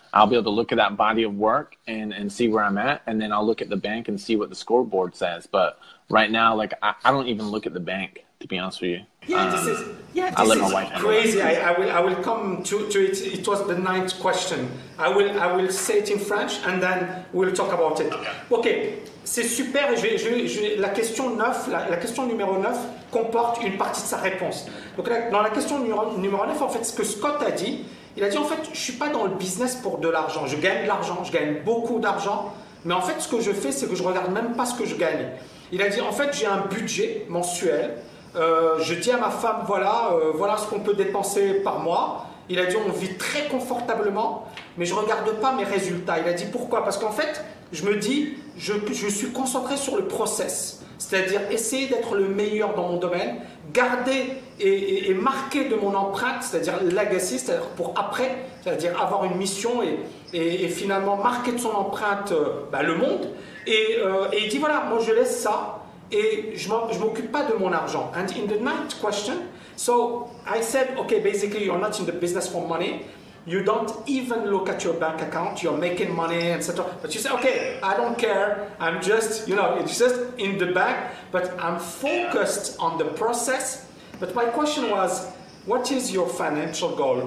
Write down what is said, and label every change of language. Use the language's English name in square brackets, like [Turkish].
[English] I'll be able to look at that body of work and see where I'm at, and then I'll look at the bank and see what the scoreboard says. But right now, like, I don't even look at the bank, to be honest with you. This is crazy. I will come to it. It was the 9th question. I will say it in French and then we'll talk about it. Okay. [French] C'est super. La question numéro 9 comporte une partie de sa réponse. Donc là, dans la question numéro 9, en fait, ce que Scott a dit, il a dit en fait, je suis pas dans le business pour de l'argent. Je gagne de l'argent, je gagne beaucoup d'argent, mais en fait, ce que je fais, c'est que je regarde même pas ce que je gagne. Il a dit en fait, j'ai un budget mensuel. Je dis à ma femme, voilà ce qu'on peut dépenser par mois. Il a dit, on vit très confortablement, mais je ne regarde pas mes résultats. Il a dit, pourquoi? Parce qu'en fait, je me dis, je suis concentré sur le process, c'est-à-dire essayer d'être le meilleur dans mon domaine, garder et marquer de mon empreinte, c'est-à-dire legacy, c'est-à-dire pour après, c'est-à-dire avoir une mission et finalement marquer de son empreinte le monde. Et il dit, voilà, moi je laisse ça. Et je m'occupe pas de mon argent. [English] And in the 9th question, so I said, okay, basically you're not in the business for money. You don't even look at your bank account. You're making money, etc. But you say, okay, I don't care. I'm just, you know, it's just in the bank. But I'm focused on the process. But my question was, what is your financial goal?